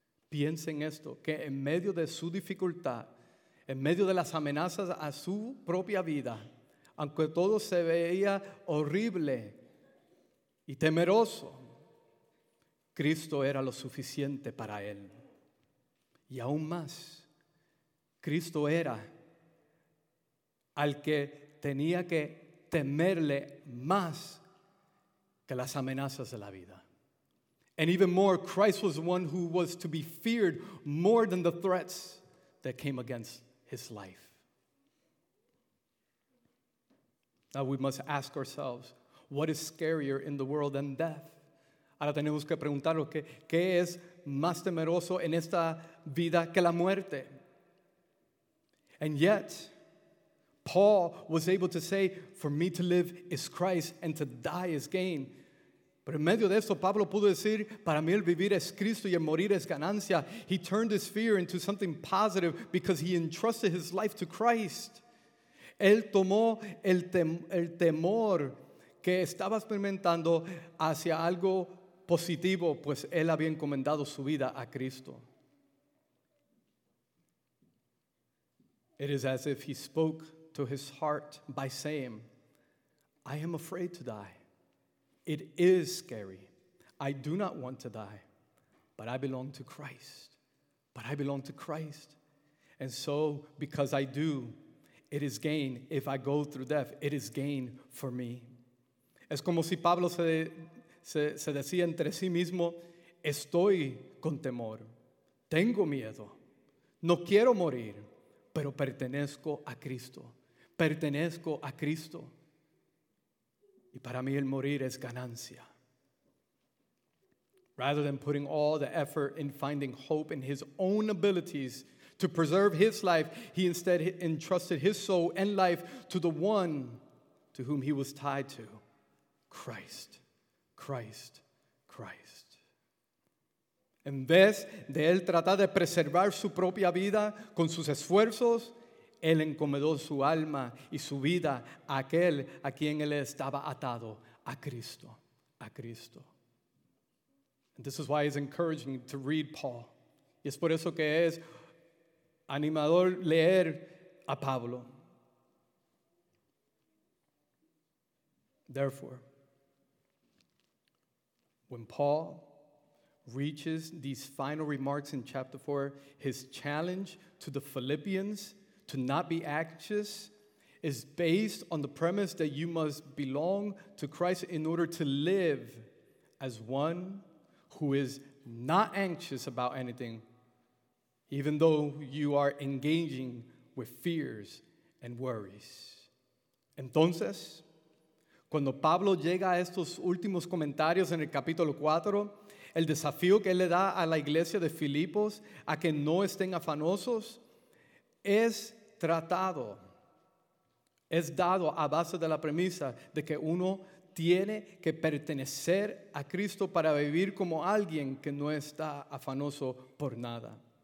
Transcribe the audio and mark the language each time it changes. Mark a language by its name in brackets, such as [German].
[Spanish] Piense en esto, que en medio de su dificultad, en medio de las amenazas a su propia vida, aunque todo se veía horrible y temeroso, Cristo era lo suficiente para él. Y aún más, Cristo era al que tenía que temerle más que las amenazas de la vida. [English] And even more, Christ was one who was to be feared more than the threats that came against his life. Now we must ask ourselves, what is scarier in the world than death? [Spanish] Ahora tenemos que preguntarnos, ¿qué es más temeroso en esta vida que la muerte? [English] And yet, Paul was able to say, for me to live is Christ and to die is gain. [Spanish] Pero en medio de esto, Pablo pudo decir, para mí el vivir es Cristo y el morir es ganancia. [English] He turned his fear into something positive because he entrusted his life to Christ. [Spanish] Él tomó el temor que estaba experimentando hacia algo positivo, pues él había encomendado su vida a Cristo. [English] It is as if he spoke to his heart by saying, I am afraid to die. It is scary. I do not want to die, but I belong to Christ. But I belong to Christ. And so, because I do, it is gain. If I go through death, it is gain for me. [Spanish] Es como si Pablo se decía entre sí mismo, estoy con temor. Tengo miedo. No quiero morir, pero pertenezco a Cristo. Pertenezco a Cristo. Y para mí el morir es ganancia. [English] Rather than putting all the effort in finding hope in his own abilities to preserve his life, he instead entrusted his soul and life to the one to whom he was tied to, Christ, Christ, Christ. [Spanish] En vez de él tratar de preservar su propia vida con sus esfuerzos, él encomendó su alma y su vida a aquel a quien él estaba atado, a Cristo, a Cristo. [English] And this is why it's encouraging to read Paul. [Spanish] Y es por eso que es animador leer a Pablo. [English] Therefore, when Paul reaches these final remarks in chapter 4, his challenge to the Philippians to not be anxious is based on the premise that you must belong to Christ in order to live as one who is not anxious about anything, even though you are engaging with fears and worries. [Spanish] Entonces, cuando Pablo llega a estos últimos comentarios en el capítulo 4, el desafío que él le da a la iglesia de Filipos a que no estén afanosos es tratado, es dado a base de la premisa de que uno tiene que pertenecer a Cristo para vivir como alguien que no está afanoso por nada.